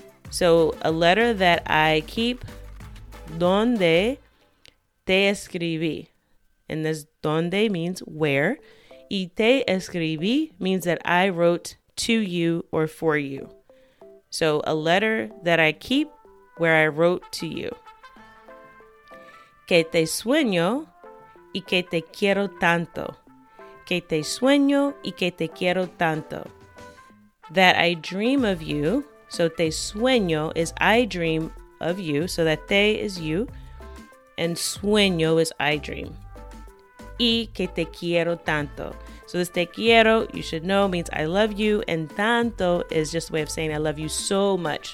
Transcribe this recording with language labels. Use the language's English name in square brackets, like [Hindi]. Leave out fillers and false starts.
[English] So a letter that I keep, [Spanish] donde te escribí. [English] And this donde means where. [Spanish] Y te escribí [English] means that I wrote to you or for you. So a letter that I keep where I wrote to you. [Spanish] Que te sueño y que te quiero tanto. Que te sueño y que te quiero tanto. [English] That I dream of you. So [Spanish] te sueño [English] is I dream of you. So that te is you. And sueño is I dream. [Spanish] Y que te quiero tanto. [English] So this [Spanish] te quiero, [English] you should know, means I love you. And tanto is just a way of saying I love you so much.